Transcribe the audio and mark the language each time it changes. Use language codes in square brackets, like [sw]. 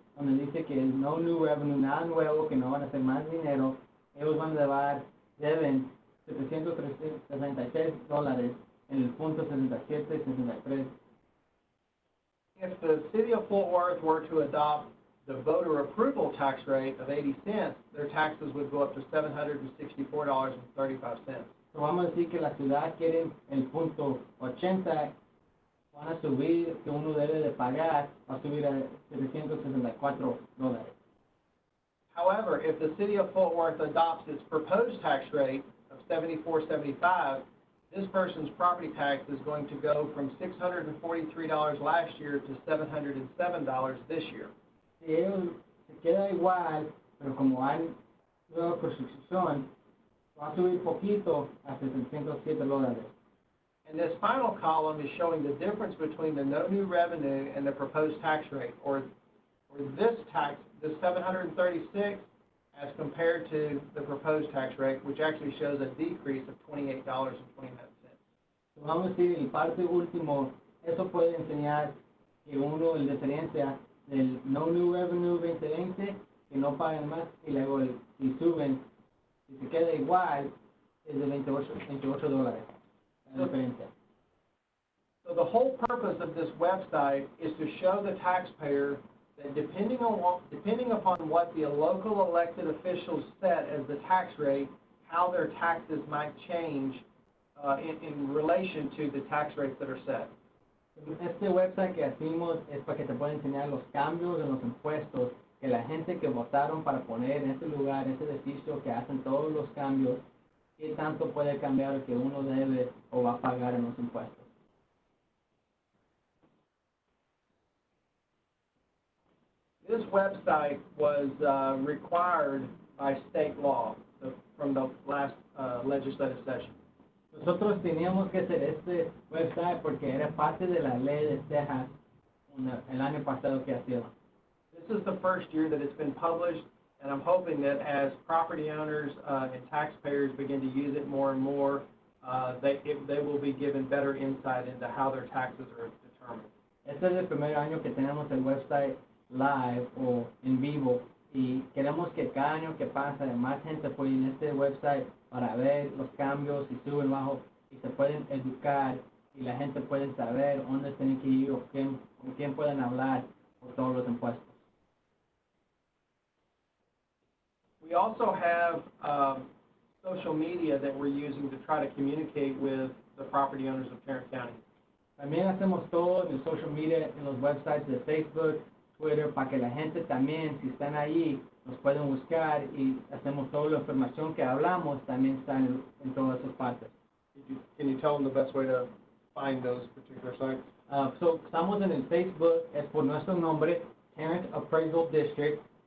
[es] Donde dice que [en] no new revenue, [es] nada nuevo, que no van a hacer más dinero, ellos van a llevar, deben $736 en el punto 77-63. [en] If the city of Fort Worth were to adopt the voter approval tax rate of 80 cents, their taxes would go up to $764.35. [es] So vamos a decir que la ciudad quiere el punto 80, van a subir que uno debe de pagar, va a subir a $764. [en] However, if the city of Fort Worth adopts its proposed tax rate of $74.75, this person's property tax is going to go from $643 last year to $707 this year. [es] Si ellos se queda igual, pero como hay nueva construcción, va a subir poquito a $707. [en] And this final column is showing the difference between the no new revenue and the proposed tax rate, or this tax, the 736, as compared to the proposed tax rate, which actually shows a decrease of $28.29. [es] Vamos a decir, el parte último, eso puede enseñar que uno, la diferencia del [en] no new revenue [es] 2020, que no pagan más, y luego si suben, si se queda igual, es de $28. [en] So the whole purpose of this website is to show the taxpayer that depending upon what the local elected officials set as the tax rate, how their taxes might change in relation to the tax rates that are set. [es] Este website que hacemos es para que te pueda enseñar los cambios en los impuestos que la gente que votaron para poner en este lugar, en este edificio, que hacen todos los cambios. ¿Qué tanto puede cambiar que uno debe o va a pagar en los impuestos? [en] This website was required by state law from the last legislative session. [es] Nosotros teníamos que hacer este website porque era parte de la ley de Texas el año pasado que hacía. [en] This is the first year that it's been published. And I'm hoping that as property owners and taxpayers begin to use it more and more, they will be given better insight into how their taxes are determined. [es] Este es el primer año que tenemos el website live o en vivo, y queremos que cada año que pasa más gente pueda ir en este website para ver los cambios y sube y bajo y se pueden educar y la gente puede saber dónde tienen que ir o quién pueden hablar por todos los impuestos. [en] We also have social media that we're using to try to communicate with the property owners of Tarrant County. [es] También hacemos todo en social media, en los websites de Facebook, Twitter, para que la gente también, si están ahí, nos pueden buscar y hacemos toda la información que hablamos también está en todas esas partes. [en] Can you tell them the best way to find those particular sites? [es] So estamos en el Facebook, es por nuestro nombre, Tarrant Appraisal District.